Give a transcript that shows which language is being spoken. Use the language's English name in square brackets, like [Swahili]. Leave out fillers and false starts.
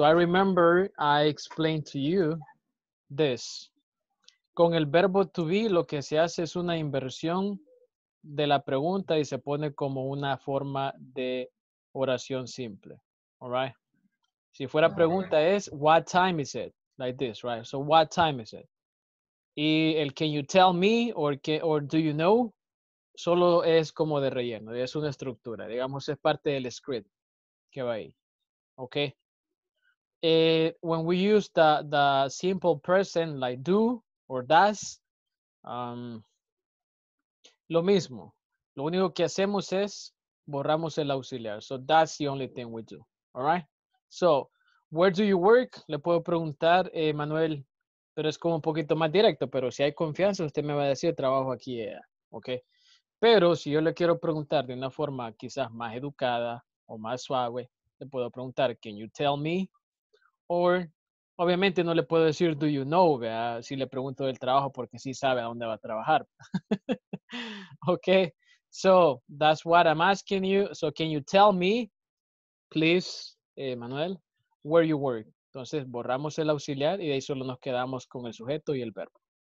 [English] So I remember I explained to you this. [Spanish] Con el verbo to be, lo que se hace es una inversión de la pregunta y se pone como una forma de oración simple. [English] All right. [Spanish] Si fuera pregunta es, [English] what time is it? Like this, right? So what time is it? [Spanish] Y el [English] can you tell me or do you know? [Spanish] Solo es como de relleno, es una estructura. Digamos, es parte del script que va ahí. [English] Okay. When we use the simple present like do, or does, [Spanish] lo mismo. Lo único que hacemos es borramos el auxiliar. [English] So that's the only thing we do. All right? So, where do you work? [Spanish] Le puedo preguntar, Manuel, pero es como un poquito más directo. Pero si hay confianza, usted me va a decir, trabajo aquí. Yeah. Okay? Pero si yo le quiero preguntar de una forma quizás más educada o más suave, le puedo preguntar, [English] can you tell me? [Spanish] Or, obviamente no le puedo decir, [English] do you know, [Spanish] ¿verdad? Si le pregunto del trabajo porque sí sabe a dónde va a trabajar. [English] Okay, so that's what I'm asking you. So can you tell me, please, Manuel, where you work? [Spanish] Entonces borramos el auxiliar y de ahí solo nos quedamos con el sujeto y el verbo.